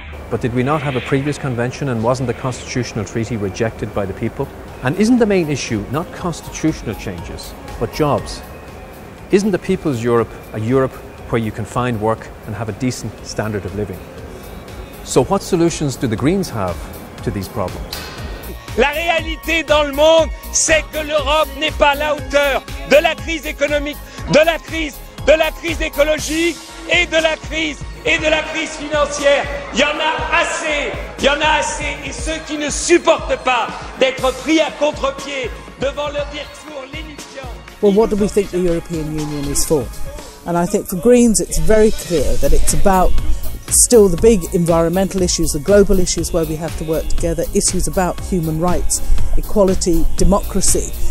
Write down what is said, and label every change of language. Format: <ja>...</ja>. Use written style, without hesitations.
<en>But did we not have a previous convention, and wasn't the constitutional treaty rejected by the people? And isn't the main issue not constitutional changes, but jobs? Isn't the people's Europe a Europe where you can find work and have a decent standard of living? So what solutions do the Greens have to these problems?</en> <fr>La réalité dans le monde, c'est que l'Europe n'est pas à la hauteur de la crise économique, de la crise écologique et de la crise financière. Il y en a assez. Et ceux qui ne supportent pas d'être pris à contre-pied devant le discours lénifiant...</fr> <en>Well, what do we think the European Union is for? And I think for Greens it's very clear that it's about still the big environmental issues, the global issues where we have to work together, issues about human rights, equality, democracy.</en>